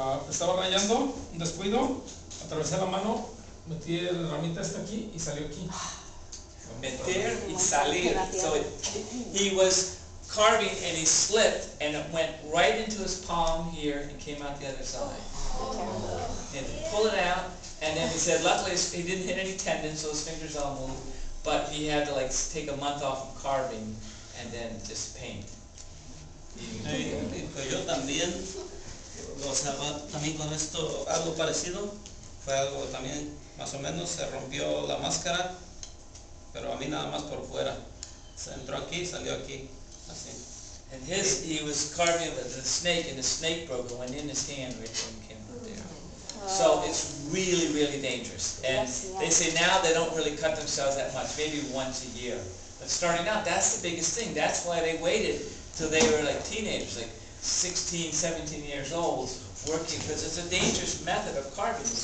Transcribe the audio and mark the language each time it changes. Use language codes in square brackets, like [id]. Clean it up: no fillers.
[es] estaba rayando, un descuido, atravesé la mano, metí la ramita hasta aquí y salió aquí. meter y salir. [en] So it, he was carving and he slipped and it went right into his palm here and came out the other side. And he pulled it out and then he said, luckily he didn't hit any tendons, so his fingers all moved. But he had to like take a month off of carving and then just paint. [es] Yo también, o sea, también con esto algo parecido, fue algo también más o menos, se rompió la máscara, pero a mí nada más por fuera. Se entró aquí, salió aquí, así. [en] And his, he was carving with the snake and the snake broke and went in his hand right when he came out there. So it's really, really dangerous. And they say now they don't really cut themselves that much, maybe once a year. But starting out, that's the biggest thing. That's why they waited till they were like teenagers, like 16, 17 years old, working, because it's a dangerous method of carving.